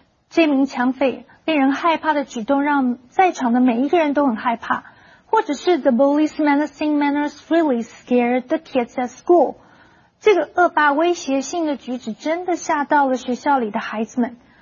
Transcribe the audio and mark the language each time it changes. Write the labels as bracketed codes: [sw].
[zh] 这名抢匪令人害怕的举动让在场的每一个人都很害怕。或者是 [en] The bully's menacing manners really scared the kids at school. [zh] 这个恶霸威胁性的举止真的吓到了学校里的孩子们。